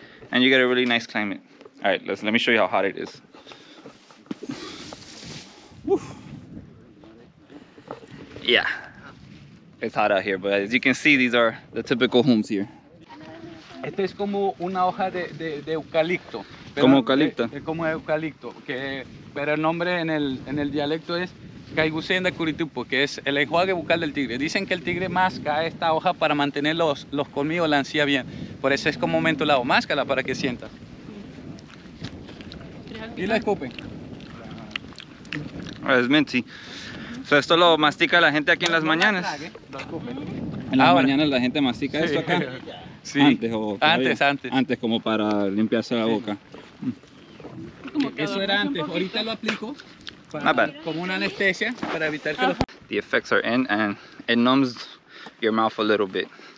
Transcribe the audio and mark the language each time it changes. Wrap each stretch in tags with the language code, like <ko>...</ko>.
<en>And you get a really nice climate. All right, let me show you how hot it is. Whew. Yeah, it's hot out here, but as you can see, these are the typical homes here.</en> <es>Este es como una hoja de eucalipto. Como eucalipto. Es como eucalipto, que pero el nombre en el dialecto es caigusenda curitupo, que es el enjuague bucal del tigre. Dicen que el tigre masca esta hoja para mantener los colmillos, la encía bien. Por eso es como momento lado, máscala para que sienta. Y la escupe. Es minty. So esto lo mastica la gente aquí en las mañanas. En las mañanas la gente mastica esto acá. Sí. Antes como para limpiarse la boca. Eso era antes. Ahorita lo aplico como una anestesia para evitar que</es> <en>The effects are in and it numbs your mouth a little bit.</en>